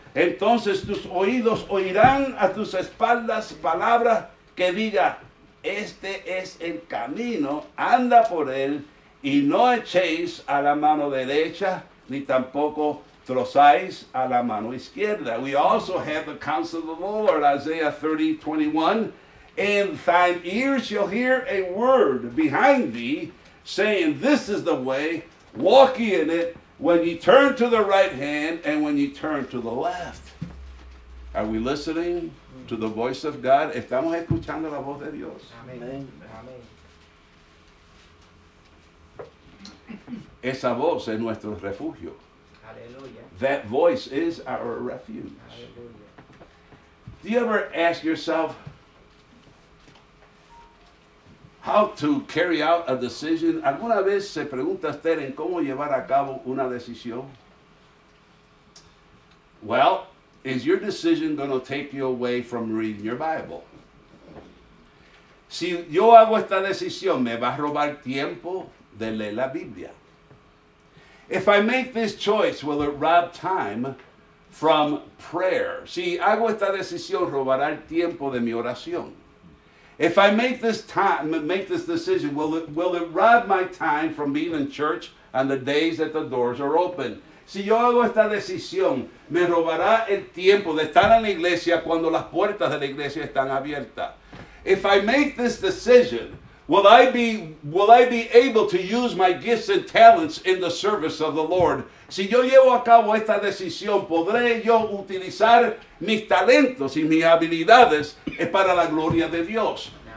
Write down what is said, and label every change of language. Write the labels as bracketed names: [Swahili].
[Spanish] Entonces tus oídos oirán a tus espaldas palabra que diga: este es el camino, anda por él, y no echéis a la mano derecha, ni tampoco trozáis a la mano izquierda. [English] We also have the counsel of the Lord, Isaiah 30:21. In thine ears shall hear a word behind thee, saying, this is the way, walk ye in it, when ye turn to the right hand, and when ye turn to the left. Are we listening to the voice of God? [Spanish] ¿Estamos escuchando la voz de Dios? Amén. Esa voz es nuestro refugio. Aleluya. [English] That voice is our refuge. [Spanish] Aleluya. [English] Do you ever ask yourself how to carry out a decision? [Spanish] ¿Alguna vez se pregunta usted en cómo llevar a cabo una decisión? [English] Well, is your decision going to take you away from reading your Bible? [Spanish] Si yo hago esta decisión, ¿me va a robar tiempo de leer la Biblia? [English] If I make this choice, will it rob time from prayer? [Spanish] Si hago esta decisión, ¿robará el tiempo de mi oración? [English] If I make this time, make this decision, will it rob my time from being in church on the days that the doors are open? [Spanish] Si yo hago esta decisión, ¿me robará el tiempo de estar en la iglesia cuando las puertas de la iglesia están abiertas? [English] If I make this decision, will I be able to use my gifts and talents in the service of the Lord? [Spanish] Si yo llevo a cabo esta decisión, ¿podré yo utilizar mis talentos y mis habilidades para la gloria de Dios?